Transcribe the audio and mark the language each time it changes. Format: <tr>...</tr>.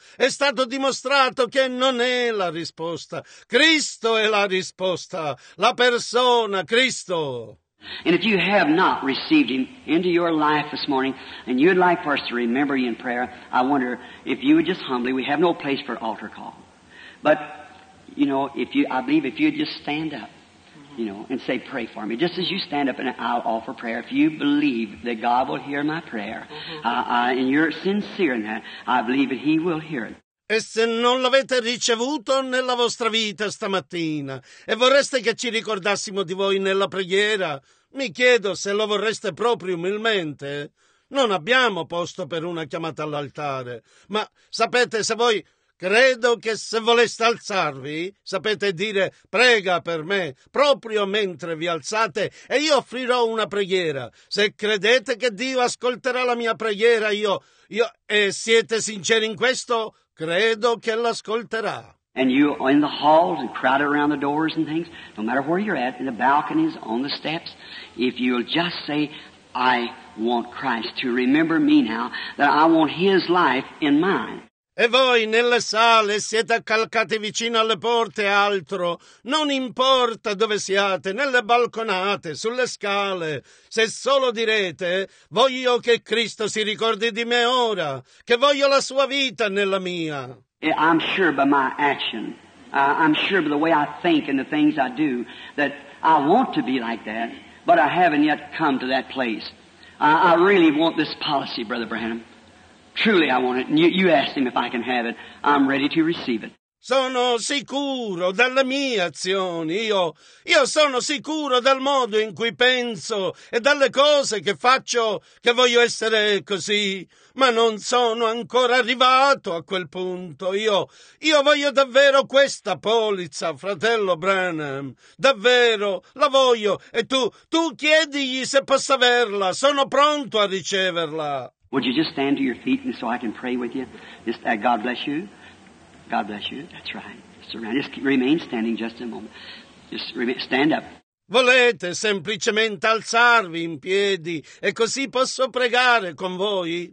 <it>È stato dimostrato che non è la risposta. Cristo è la risposta, la persona Cristo.</it> <en>And if you have not received Him into your life this morning, and you'd like for us to remember you in prayer, I wonder if you would just humbly, we have no place for altar call. But, you know, I believe if you'd just stand up, you know, and say, pray for me. Just as you stand up and I'll offer prayer. If you believe that God will hear my prayer, and you're sincere in that, I believe that He will hear it.</en> <it>E se non l'avete ricevuto nella vostra vita stamattina e vorreste che ci ricordassimo di voi nella preghiera, mi chiedo se lo vorreste proprio umilmente. Non abbiamo posto per una chiamata all'altare, ma sapete, se voi credo che se voleste alzarvi, sapete dire prega per me proprio mentre vi alzate e io offrirò una preghiera. Se credete che Dio ascolterà la mia preghiera, io e siete sinceri in questo? Credo che l'ascolterà.</it> <en>And you are in the halls and crowded around the doors and things, no matter where you're at, in the balconies, on the steps, if you'll just say, I want Christ to remember me now, that I want His life in mine.</en> <it>E voi nelle sale siete accalcati vicino alle porte, altro, non importa dove siate, nelle balconate, sulle scale, se solo direte, voglio che Cristo si ricordi di me ora, che voglio la sua vita nella mia.</it> <en>I'm sure by my action, I'm sure by the way I think and the things I do, that I want to be like that, but I haven't yet come to that place. I really want this policy, Brother Branham. Truly I want it, and you asked Him if I can have it. I'm ready to receive it.</en> <it>Sono sicuro dalle mie azioni, io sono sicuro dal modo in cui penso e dalle cose che faccio che voglio essere così, ma non sono ancora arrivato a quel punto. Io voglio davvero questa polizza, fratello Branham, davvero la voglio, e tu chiedigli se posso averla, sono pronto a riceverla.</it> <en>Would you just stand to your feet so I can pray with you? Just God bless you. God bless you. That's right. Surround. Just remain standing just a moment. Just stand up.</en> <it>Volete semplicemente alzarvi in piedi e così posso pregare con voi?</it>